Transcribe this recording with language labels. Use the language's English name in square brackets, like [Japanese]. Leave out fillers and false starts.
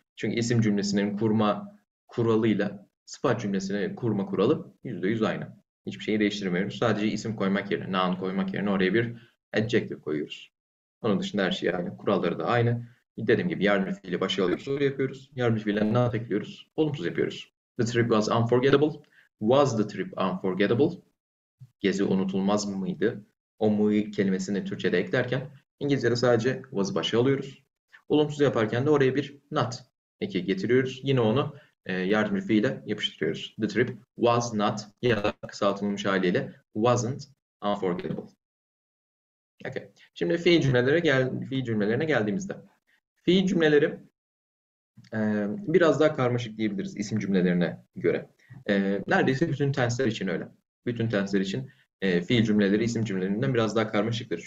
[Turkish] Çünkü isim cümlesinin kurma kuralıyla sıfat cümlesini kurma kuralı %100 aynı. Hiçbir şeyi değiştirmiyoruz. Sadece isim koymak yerine, noun koymak yerine oraya bir adjective koyuyoruz. Onun dışında her şey aynı. Kuralları da aynı. Dediğim gibi yardımcı fiili başa alıyoruz, soru yapıyoruz. Yardımcı fiilen ne ekliyoruz? Olumsuz yapıyoruz. [English] The trip was unforgettable. Was the trip unforgettable? [Turkish] Gezi unutulmaz mıydı? O mu kelimesini Türkçe'de eklerken İngilizce'de sadece was'ı başa alıyoruz. Olumsuz yaparken de oraya bir not getiriyoruz. Yine onu yardımcı fiile yapıştırıyoruz. [English] The trip was not [Turkish] ya da kısaltılmış haliyle [English] wasn't unforgettable. Okay. [Turkish] Şimdi fiil cümlelerine geldiğimizde. Fiil cümleleri biraz daha karmaşık diyebiliriz isim cümlelerine göre. Neredeyse bütün tensler için öyle. Bütün tensler için fiil cümleleri isim cümlelerinden biraz daha karmaşıktır.